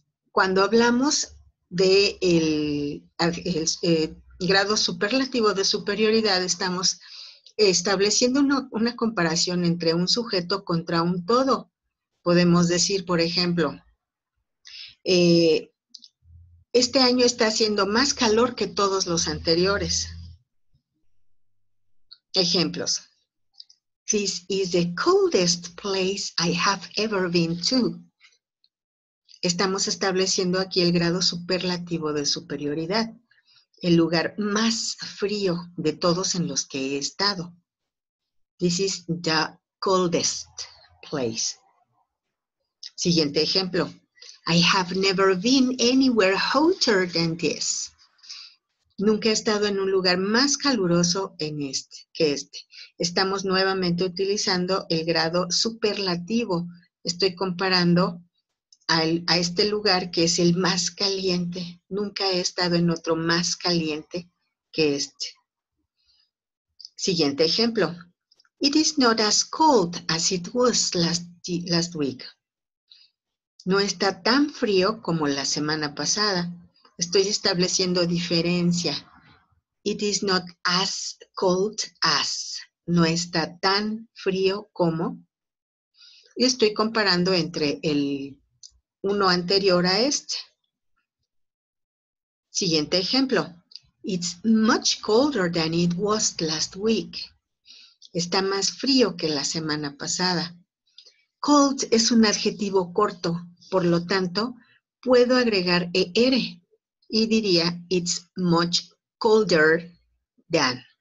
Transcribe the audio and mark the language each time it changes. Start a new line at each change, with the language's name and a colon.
Spanish: Cuando hablamos de el grado superlativo de superioridad, estamos estableciendo una comparación entre un sujeto contra un todo. Podemos decir, por ejemplo, este año está haciendo más calor que todos los anteriores. Ejemplos.
English: This is the coldest place I have ever been to.
Spanish: Estamos estableciendo aquí el grado superlativo de superioridad, el lugar más frío de todos en los que he estado.
English: This is the coldest place.
Spanish: Siguiente ejemplo.
English: I have never been anywhere hotter than this.
Spanish: Nunca he estado en un lugar más caluroso que este. Estamos nuevamente utilizando el grado superlativo. Estoy comparando a este lugar que es el más caliente. Nunca he estado en otro más caliente que este. Siguiente ejemplo.
English: It is not as cold as it was last week.
Spanish: No está tan frío como la semana pasada. Estoy estableciendo diferencia.
English: It is not as cold as.
Spanish: No está tan frío como. Y estoy comparando entre el uno anterior a este. Siguiente ejemplo.
English: It's much colder than it was last week.
Spanish: Está más frío que la semana pasada. Cold es un adjetivo corto, por lo tanto, puedo agregar er y diría
English: it's much colder than.